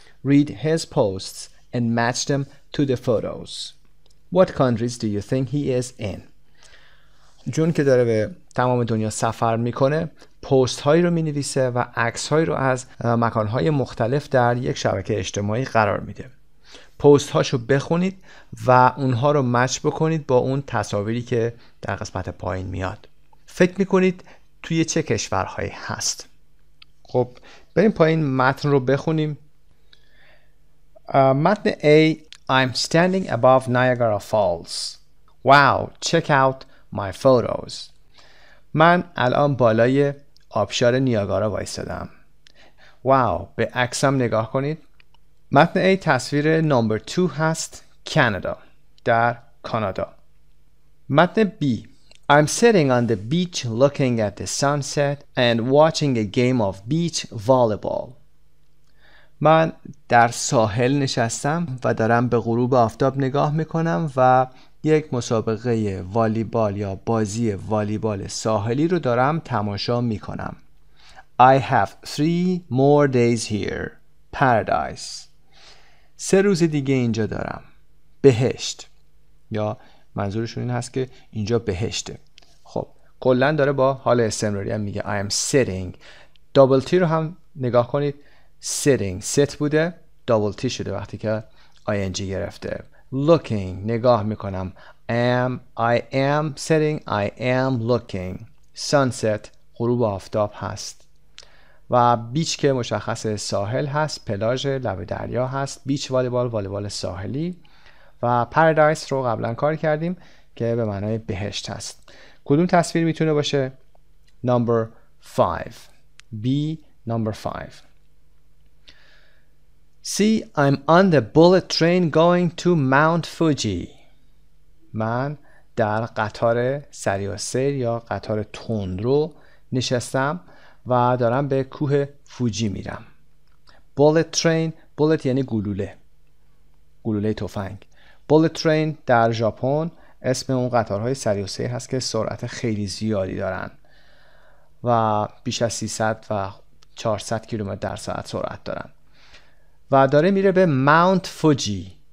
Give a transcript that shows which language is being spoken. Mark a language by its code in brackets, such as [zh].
[en] Read his posts and match them to the photos. What countries do you think he is in? [fa] جون که داره به تمام دنیا سفر میکنه پست هایی رو مینویسه و عکس هایی رو از مکان های مختلف در یک شبکه اجتماعی قرار میده. پست هاشو بخونید و اونها رو مچ بکنید با اون تصاویری که در قسمت پایین میاد. فکر میکنید توی چه کشورهایی هست؟ خب بریم پایین متن رو بخونیم. [en] Matne A, I'm standing above Niagara Falls. Wow, check out my photos. [fa] من الان بالای آبشار نیاگارا وایستادم. Wow, به عکسام نگاه کنید. Matne A تصویر number 2 هست. Canada. در کانادا. [en] Matne B, I'm sitting on the beach looking at the sunset and watching a game of beach volleyball. [fa] من در ساحل نشستم و دارم به غروب آفتاب نگاه میکنم و یک مسابقه والیبال یا بازی والیبال ساحلی رو دارم تماشا میکنم. [en] I have 3 more days here. Paradise. [fa] 3 روز دیگه اینجا دارم. بهشت. یا منظورشون این هست که اینجا بهشته. خب کلن داره با حال استمراری هم میگه [en] I am sitting. [fa] دابل تی رو هم نگاه کنید. Sitting sit بوده double T شده وقتی که ing گرفته. [en] Looking [fa] نگاه میکنم. [en] I am sitting. I am looking. [fa] Sunset غروب آفتاب هست و بیچ که مشخص ساحل هست. پلاژ لب دریا هست. بیچ والیبال والیبال ساحلی. و paradise رو قبلا کار کردیم که به معنای بهشت هست. کدوم تصویر میتونه باشه؟ number 5 B [en] Number 5. See, I'm on the bullet train going to Mount Fuji. [fa] من در قطار سریع سیر یا قطار تندرو نشستم و دارم به کوه فوجی میرم. [en] Bullet train, bullet [fa] یعنی گلوله. گلوله تفنگ. Bullet train در ژاپن اسم اون قطارهای سریع سیر هست که سرعت خیلی زیادی دارن و بیش از 300 و 400 کیلومتر در ساعت سرعت دارن و داره میره به ماونت فوجی.